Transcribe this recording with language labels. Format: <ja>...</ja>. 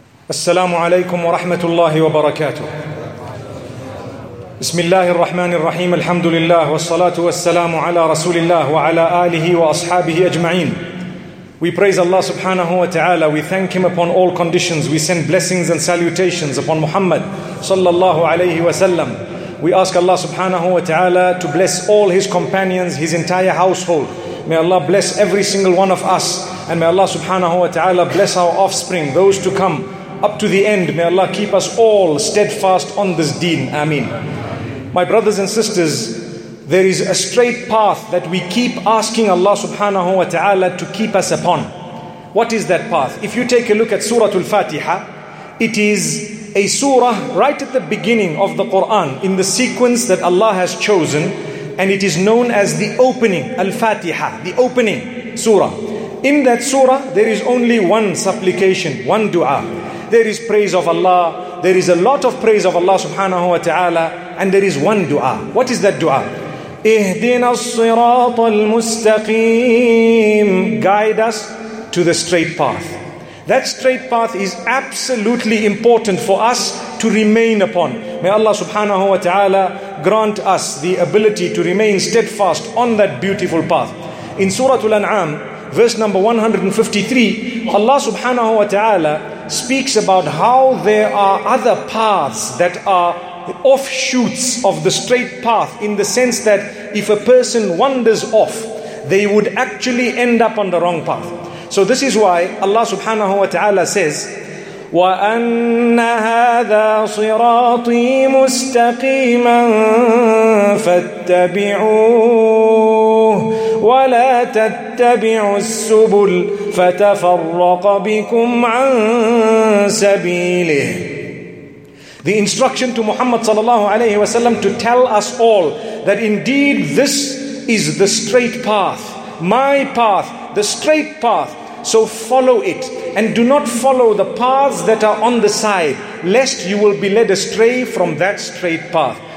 <ar>السلام عليكم ورحمة الله وبركاته. بسم الله الرحمن الرحيم. الحمد لله والصلاة والسلام على رسول الله وعلى آله وأصحابه أجمعين.</ar> <en>We praise Allah subhanahu wa ta'ala. We thank Him upon all conditions. We send blessings and salutations upon Muhammad sallallahu alayhi wa sallam. We ask Allah subhanahu wa ta'ala to bless all His companions, His entire household. May Allah bless every single one of us. And may Allah subhanahu wa ta'ala bless our offspring, those to come up to the end. May Allah keep us all steadfast on this deen. Ameen. My brothers and sisters, there is a straight path that we keep asking Allah subhanahu wa ta'ala to keep us upon. What is that path? If you take a look at Surah Al-Fatiha, it is a surah right at the beginning of the Quran in the sequence that Allah has chosen, and it is known as the opening, Al-Fatiha, the opening surah. In that surah, there is only one supplication, one dua. There is praise of Allah, there is a lot of praise of Allah subhanahu wa ta'ala, and there is one dua. What is that dua?</en> <ar>Ihdina الصراط المستقيم.</ar> <en>Guide us to the straight path. That straight path is absolutely important for us to remain upon. May Allah subhanahu wa ta'ala grant us the ability to remain steadfast on that beautiful path. In Surah Al-An'am, verse number 153, Allah subhanahu wa ta'ala speaks about how there are other paths that are offshoots of the straight path, in the sense that if a person wanders off, they would actually end up on the wrong path. So this is why Allah subhanahu wa ta'ala says,</en> <ar>وَأَنَّ هَذَا صِرَاطِي مُسْتَقِيمًا فَاتَّبِعُوهُ وَلَا تَتَّبِعُوا السُّبُلَ فَتَفَرَّقَ بِكُمْ عَن سَبِيلِهِ.</ar> <en>The instruction to Muhammad sallallahu alayhi wa sallam to tell us all that indeed this is the straight path, my path, the straight path. So follow it and do not follow the paths that are on the side, lest you will be led astray from that straight path.</en>